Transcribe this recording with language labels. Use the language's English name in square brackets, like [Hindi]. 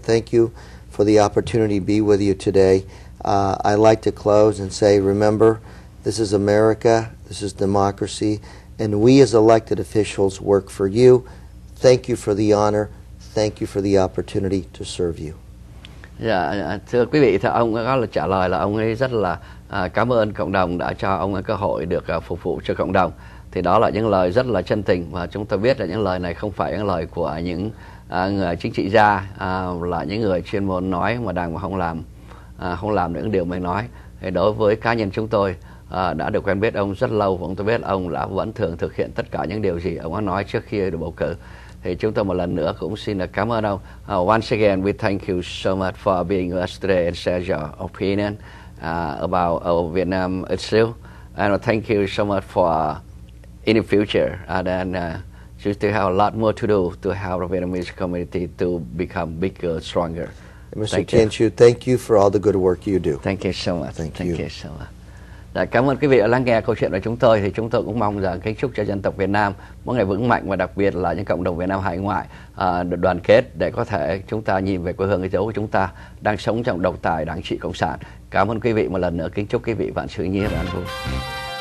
[English] Thank you for the opportunity to be with you today. I'd like to close and say, remember, this is America, this is democracy, and we as elected officials work for you. Thank you for the honor. Thank you for the opportunity to serve you. [Vietnamese] Thưa quý vị, thưa ông có trả lời là ông ấy rất là cảm ơn cộng đồng đã cho ông cơ hội được phục vụ cho cộng đồng. Thì đó là những lời rất là chân tình, và chúng ta biết là những lời này không phải những lời của những người chính trị gia, là những người chuyên môn nói mà đang mà không làm những điều mình nói. Thì đối với cá nhân chúng tôi đã được quen biết ông rất lâu, chúng tôi biết ông đã vẫn thường thực hiện tất cả những điều gì ông đã nói trước khi được bầu cử. Thì chúng tôi một lần nữa cũng xin được cảm ơn ông. [English] Once again, we thank you so much for being with us today and share your opinion about our Vietnam issue. And thank you so much for in the future. You still have a lot more to do to help the Vietnamese community to become bigger, stronger. Mr. Tien Chu, thank you for all the good work you do. Thank you so much. Thank you so much. [Vietnamese] Cảm ơn quý vị đã lắng nghe câu chuyện của chúng tôi. Thì chúng tôi cũng mong rằng kính chúc cho dân tộc Việt Nam mỗi ngày vững mạnh, và đặc biệt là những cộng đồng Việt Nam hải ngoại được đoàn kết để có thể chúng ta nhìn về quê hương cái dấu của chúng ta đang sống trong độc tài đảng trị cộng sản. Cảm ơn quý vị một lần nữa, kính chúc quý vị vạn sự như ý và an vui.